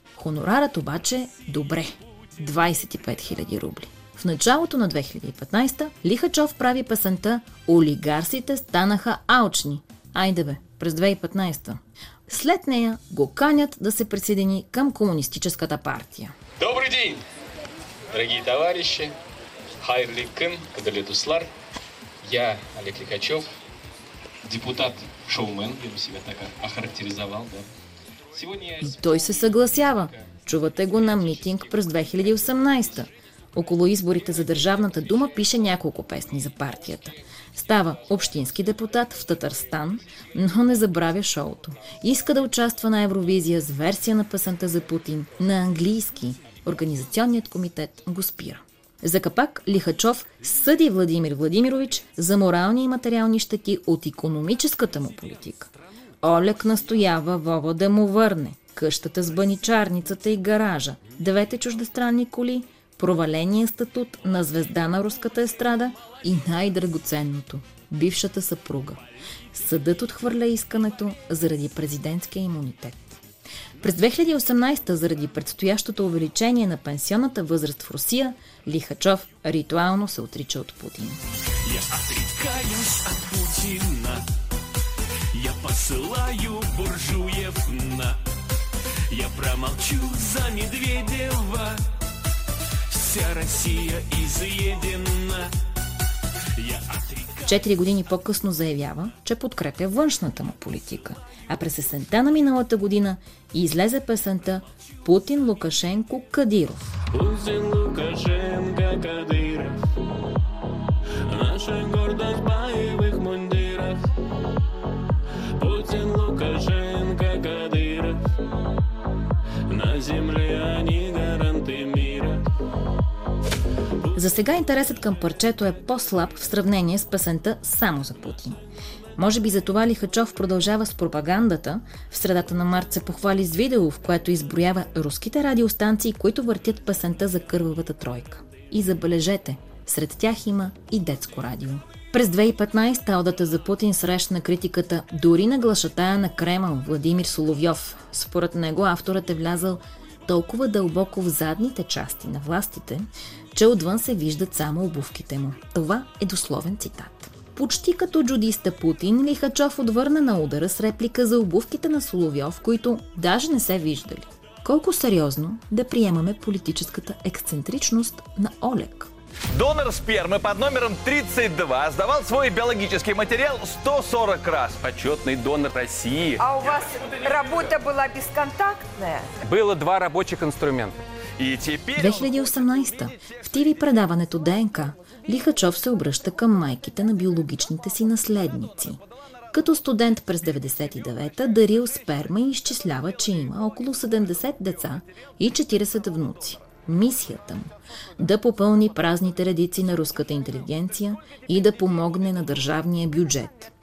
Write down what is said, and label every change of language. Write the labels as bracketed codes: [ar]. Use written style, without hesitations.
[bg] Хонорарът обаче добре. 25 000 рубли. В началото на 2015-та Лихачов прави песента «Олигарсите станаха алчни». Айде бе, през 2015-та. След нея го канят да се присъедини към комунистическата партия. [ru] Добрый ден, дорогие товарищи, [tt] хайрли кын, кадали туслар. [ru] Я Олег Лихачев, депутат-шоумен, я бы себя так охарактеризовал. Да. Сегодня... [bg] И той се съгласява. Чувате го на митинг през 2018-та. Около изборите за Държавната дума пише няколко песни за партията. Става общински депутат в Татарстан, но не забравя шоуто. Иска да участва на Евровизия с версия на песента за Путин на английски. Организационният комитет го спира. За капак Лихачов съди Владимир Владимирович за морални и материални щети от икономическата му политика. Олег настоява Вова да му върне къщата с баничарницата и гаража, двете чуждестранни коли, проваления статут на звезда на руската естрада и най-драгоценното – бившата съпруга. Съдът отхвърля искането заради президентския имунитет. През 2018-та, заради предстоящото увеличение на пенсионната възраст в Русия, Лихачов ритуално се отрича от Путин. [ru] Я отрекаюсь от Путина, я посылаю буржуев на, я промолчу за Медведева, Россия изъедена. [bg] Четири години по-късно заявява, че подкрепя външната му политика. А през есента на миналата година излезе песента «Путин Лукашенко Кадиров». [ru] Путин Лукашенко Кадиров, наша гордость в боевых мундирах. Путин Лукашенко Кадиров, на земле они гаранты мира. [bg] За сега интересът към парчето е по-слаб в сравнение с песента «Само за Путин». Може би затова Лихачов продължава с пропагандата. В средата на март се похвали с видео, в което изброява руските радиостанции, които въртят песента за кървавата тройка. И забележете, сред тях има и детско радио. През 2015 одата за Путин срещна критиката дори на глашатая на Кремъл Владимир Соловьов. Според него авторът е влязъл толкова дълбоко в задните части на властите, че отвън се виждат само обувките му. Това е дословен цитат. Почти като джудиста Путин, Лихачов отвърна на удара с реплика за обувките на Соловьов, които даже не се виждали. Колко сериозно да приемаме политическата ексцентричност на Олег? [ru] Донор спермы под номером 32 сдавал свой биологический материал 140 раз. Почетный донор России. А у вас работа была бесконтактная? Было два рабочих инструмента. И теперь... [bg] 2018-та. В ТВ-предаването ДНК Лихачов се обръща към майките на биологичните си наследници. Като студент през 99-та дарил сперма и изчислява, че има около 70 деца и 40 внуци. Мисията му – да попълни празните редици на руската интелигенция и да помогне на държавния бюджет.